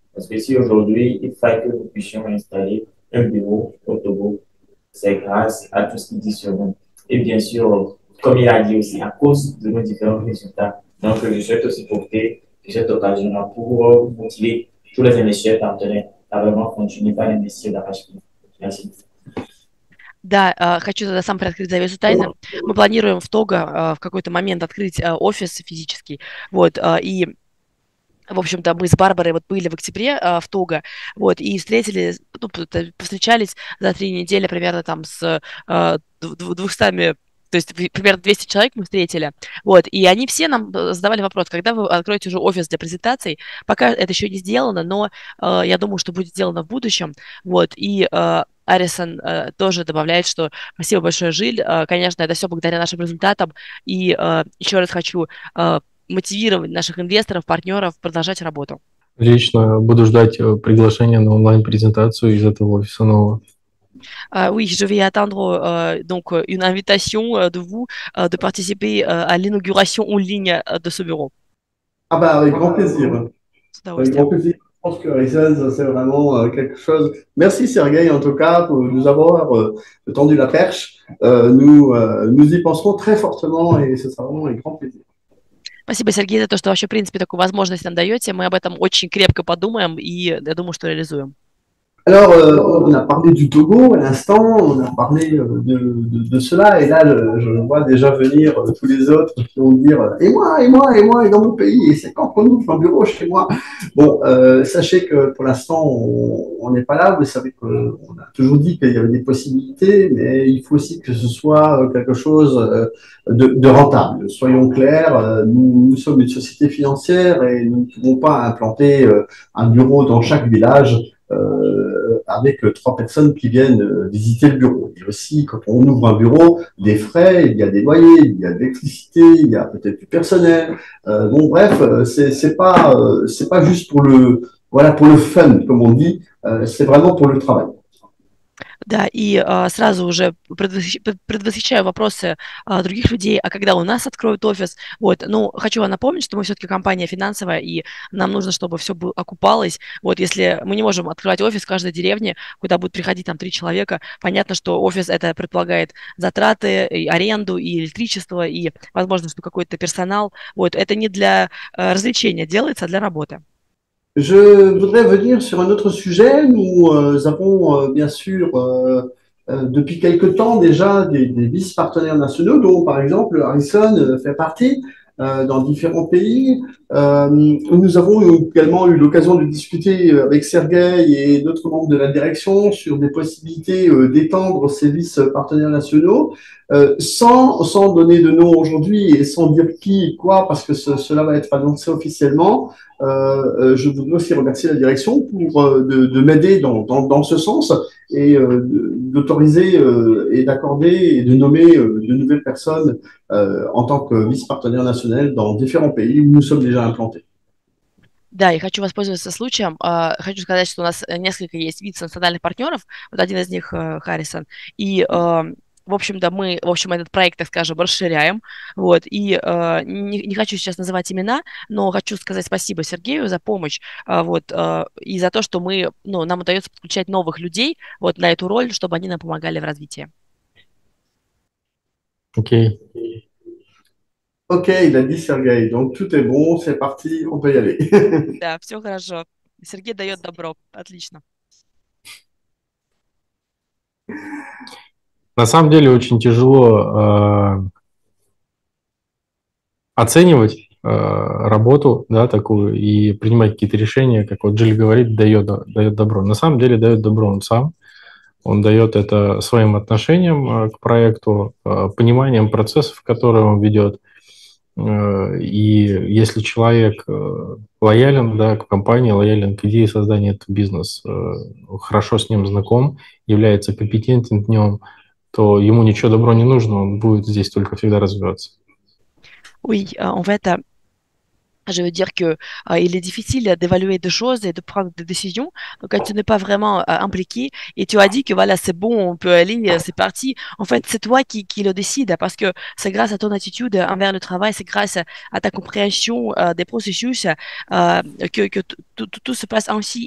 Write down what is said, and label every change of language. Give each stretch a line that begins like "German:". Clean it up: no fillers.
French: Parce que si aujourd'hui, il fallait que nous puissions installer un bureau au Togo, c'est grâce à tout ce qui dit sur nous. Et bien sûr, comme il a dit aussi, à cause de nos différents résultats. Donc, je souhaite aussi profiter de cette occasion-là pour motiver tous les investisseurs partenaires à vraiment continuer à investir d'arrache-pied. Merci.
Russian: Да, хочу тогда сам приоткрыть завесу тайны. Мы планируем в Того в какой-то момент открыть офис физический. Вот, и, в общем-то, мы с Барбарой вот были в октябре в Того, вот, и встретили, ну, повстречались за 3 недели примерно там с 200 То есть, примерно 200 человек мы встретили. Вот, и они все нам задавали вопрос, когда вы откроете уже офис для презентаций. Пока это еще не сделано, но я думаю, что будет сделано в будущем. Вот, и Арисон тоже добавляет, что спасибо большое, Жиль. Конечно, это все благодаря нашим результатам. И еще раз хочу мотивировать наших инвесторов, партнеров продолжать работу. Лично буду ждать приглашения на онлайн-презентацию из этого офиса нового.
French: Oui, je vais attendre donc une invitation de vous de participer à l'inauguration en ligne de ce bureau. Ah bah, avec grand plaisir. Avec grand plaisir. Je pense que Arisen, c'est vraiment quelque chose. Merci Sergueï, en tout cas, pour nous avoir tendu la perche. Nous y penserons très fortement et ce sera vraiment avec grand plaisir.
Russian: Спасибо, Сергей, за то, что вообще, в принципе, такую возможность нам даете. Мы об этом очень крепко подумаем и, я думаю, что реализуем.
French: Alors, on a parlé du Togo à l'instant, on a parlé de cela, et là, je vois déjà venir tous les autres qui vont dire « Et moi, et dans mon pays, et c'est quand qu'on ouvre un bureau chez moi ?» Bon, sachez que pour l'instant, on n'est pas là, vous savez qu'on a toujours dit qu'il y avait des possibilités, mais il faut aussi que ce soit quelque chose de rentable. Soyons clairs, nous sommes une société financière et nous ne pouvons pas implanter un bureau dans chaque village avec trois personnes qui viennent visiter le bureau. Il y a aussi, quand on ouvre un bureau, des frais, il y a des loyers, il y a de l'électricité, il y a peut-être du personnel. Bon, bref, c'est pas juste pour le, voilà, pour le fun, comme on dit, c'est vraiment pour le travail.
Russian: Да, и сразу уже предвосхищаю вопросы других людей, а когда у нас откроют офис, вот, ну, хочу вам напомнить, что мы все-таки компания финансовая, и нам нужно, чтобы все было, окупалось, вот, если мы не можем открывать офис в каждой деревне, куда будут приходить там три человека, понятно, что офис это предполагает затраты, и аренду, и электричество, и, возможно, что какой-то персонал, вот, это не для развлечения делается, а для работы.
French: Je voudrais venir sur un autre sujet. Nous avons bien sûr depuis quelque temps déjà des vice-partenaires nationaux, dont par exemple Harrison fait partie dans différents pays. Nous avons également eu l'occasion de discuter avec Sergueï et d'autres membres de la direction sur des possibilités d'étendre ces vice-partenaires nationaux sans donner de nom aujourd'hui et sans dire qui et quoi, parce que cela va être annoncé officiellement. Je voudrais aussi remercier la direction pour de m'aider dans ce sens et d'autoriser et d'accorder et de nommer de nouvelles personnes en tant que vice-partenaire national dans différents pays où nous sommes déjà implantés.
Russian: Да, я хочу воспользоваться случаем. Хочу сказать, что у нас несколько есть вице-национальных партнеров. Вот один из них Харрисон. И в общем-то, мы, в общем, этот проект, так скажем, расширяем, вот, и не хочу сейчас называть имена, но хочу сказать спасибо Сергею за помощь, вот, и за то, что мы, ну, нам удается подключать новых людей, вот, на эту роль, чтобы они нам помогали в развитии. Окей, да, ди,
French: Сергей, donc tout est bon, c'est parti, on peut y aller.
Russian: Да, все хорошо, Сергей дает добро, отлично. На самом деле очень тяжело оценивать работу, да, такую, и принимать какие-то решения, как вот Джиль говорит, дает добро. На самом деле дает добро он сам. Он дает это своим отношением к проекту, пониманием процессов, которые он ведет. И если человек лоялен, да, к компании, лоялен к идее создания этого бизнеса, хорошо с ним знаком, является компетентен в нем, то ему ничего добро не нужно, он будет здесь только всегда развиваться.
French: Oui, en fait, je veux dire que il est difficile d'évaluer des choses et de prendre des décisions quand tu n'es pas vraiment impliqué. Et tu as dit que voilà, c'est bon, on peut aller, c'est parti. En fait, c'est toi qui le décide parce que c'est grâce à ton attitude envers le travail, c'est grâce à ta compréhension des processus que tout se passe ainsi.